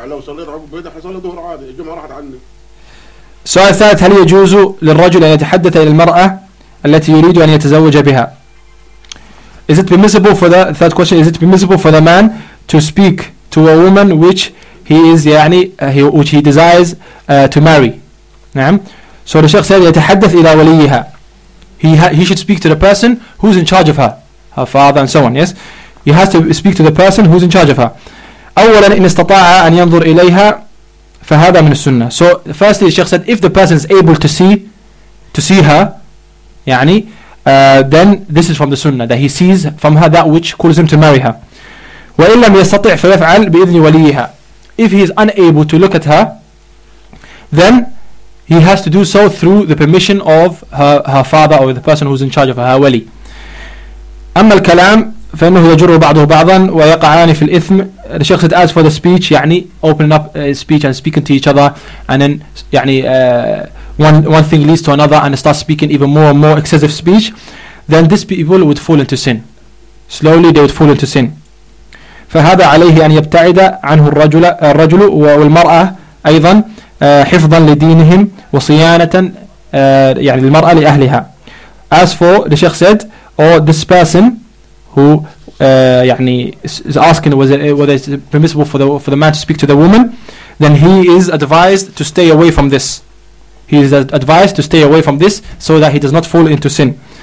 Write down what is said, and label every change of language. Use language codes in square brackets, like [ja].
[ar] لو صليت عقب بيده حصل ظهر عادي الجمعة راحت عني. سؤال ثالث, هل يجوز للرجل أن يتحدث إلى المرأة التي يريد أن يتزوج بها؟ [en] Is it permissible for the third question? Is it permissible for the man to speak to a woman which he is يعني which he desires to marry? [ar] نعم. [en] So the sheikh said [ar] يتحدث إلى وليها. [en] He should speak to the person who's in charge of her father and so on. Yes, he has to speak to the person who's in charge of her. [ar] أولا إن استطاع أن ينظر إليها فهذا من السنة. [en] So firstly, the sheikh said, if the person is able to see her, يعني, then this is from the sunnah that he sees from her that which calls him to marry her. [ar] وإن لم يستطع فيفعل بإذن وليها. [en] If he is unable to look at her, then he has to do so through the permission of her father or the person who's in charge of her wali. [ar] أما الكلام فإنه يجر بعضه بعضا ويقعان في الإثم. [en] The sheikh said, as for the speech, يعني opening up speech and speaking to each other, and then يعني one thing leads to another and start speaking even more and more excessive speech, then these people would fall into sin. Slowly they would fall into sin. [ar] فهذا عليه أن يبتعد عنه الرجل والمرأة أيضا حفظا لدينهم وصيانة يعني المرأة لأهلها. [en] As for the sheikh said, or this person who يعني is asking whether it's permissible for the man to speak to the woman, then he is advised to stay away from this. He is advised to stay away from this so that he does not fall into sin.